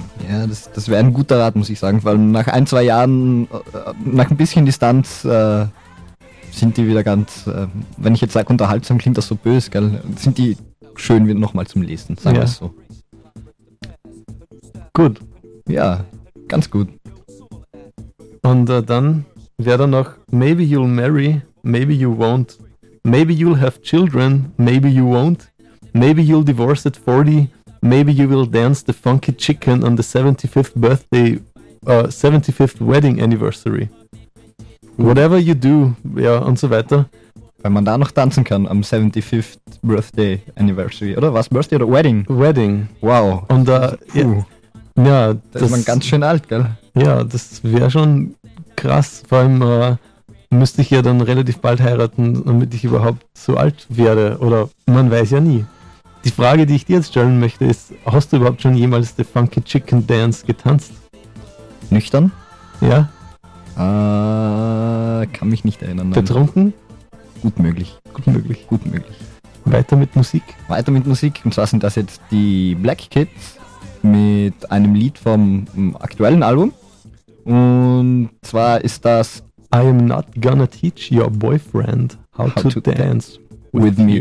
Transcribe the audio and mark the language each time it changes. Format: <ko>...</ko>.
<de>Ja, das wäre ein guter Rat, muss ich sagen, weil nach ein, zwei Jahren, nach ein bisschen Distanz, sind die wieder ganz, wenn ich jetzt sage, unterhaltsam, klingt das so böse, gell, sind die schön wieder nochmal zum Lesen, sagen wir es so. Gut. Ja, ganz gut. Und dann wäre da noch</de> <en>Maybe You'll Marry, Maybe You Won't. Maybe You'll Have Children, Maybe You Won't. Maybe You'll Divorce at 40. Maybe You Will Dance the Funky Chicken on the 75th birthday, 75th wedding anniversary. Whatever you do,</en> <de>ja, und so weiter. Wenn man da noch tanzen kann am</de> <en>75th birthday anniversary,</en> <de>oder was? Birthday oder Wedding?</de> <en>Wedding. Wow.</en> <de>Und ja, das ist man ganz schön alt, gell? Ja, das wäre schon krass. Vor allem müsste ich ja dann relativ bald heiraten, damit ich überhaupt so alt werde. Oder man weiß ja nie. Die Frage, die ich dir jetzt stellen möchte, ist, hast du überhaupt schon jemals The Funky Chicken Dance getanzt? Nüchtern? Ja. Kann mich nicht erinnern. Nein. Betrunken? Gut möglich. Gut möglich. Gut möglich. Weiter mit Musik? Weiter mit Musik. Und zwar sind das jetzt die Black Kids mit einem Lied vom aktuellen Album. Und zwar ist das</de> <en>I am not gonna teach your boyfriend how to dance with me.</en>